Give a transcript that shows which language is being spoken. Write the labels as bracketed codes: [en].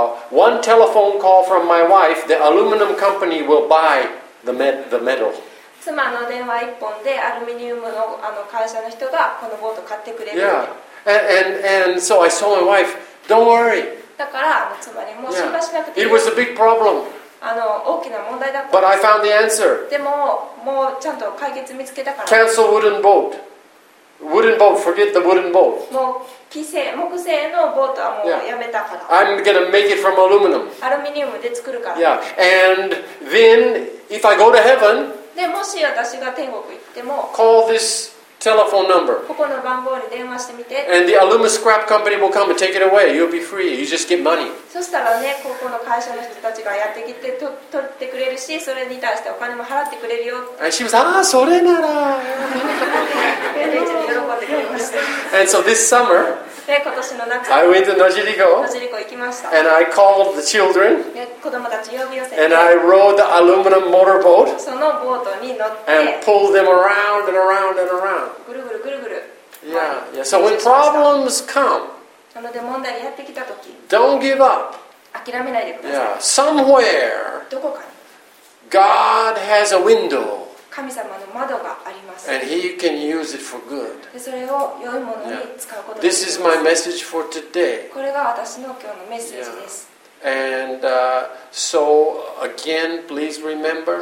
[en] one telephone call from my wife, the aluminum company will buy the metal. [ja] 妻の電話一本でアルミニウムの会社の人がこのボート買ってくれる。 [en] Yeah, and so I told my wife, don't worry. [ja] だから妻にもう心配しなくていい。 [en] It was a big problem. [ja] 大きな問題だったんです。 [en] But I found the answer. [ja] でも、もうちゃんと解決見つけたから。 [en] Cancel wooden boat. Wooden boat. Forget the wooden boat. [ja] もう木製のボートはもうやめたから。 [en] Yeah. I'm gonna make it from aluminum. [ja] アルミニウムで作るから。 [en] Yeah. And then if I go to heaven, [ja] でもし私が天国行っても、 [en] call this telephone number. [ja] ここの番号に電話してみて。 [en] And the aluminum scrap company will come and take it away. You'll be free. You just get money. [ja] そしたらね、ここの会社の人たちがやってきて取ってくれるし、それに対してお金も払ってくれるよ。 [en] And she was, ah, [ja] それなら。めっちゃ喜んでくれました。 [en] And so this summer, [ja] 今年の夏、 [en] I went to Nojiriko. [ja] Nojiriko 行きました。 [en] And I called the children. [ja] 子供たち呼び寄せて。 [en] And I rode the aluminum motorboat. [ja] そのボートに乗って。 [en] And pulled them around and around and around. [ja] ぐるぐるぐるぐる。 [en] Yeah. So when problems come, [ja] なので問題やってきた時、 [en] don't give up. [ja] 諦めないでください。 [en] Yeah. Somewhere, [ja] どこかに、 [en] God has a window. [ja] 神様の窓があります。 [en] And He can use it for good. [ja] でそれを良いものに使うことができます。 [en] This is my message for today. [ja] これが私の今日のメッセージです。 [en] Yeah. And so again, please remember,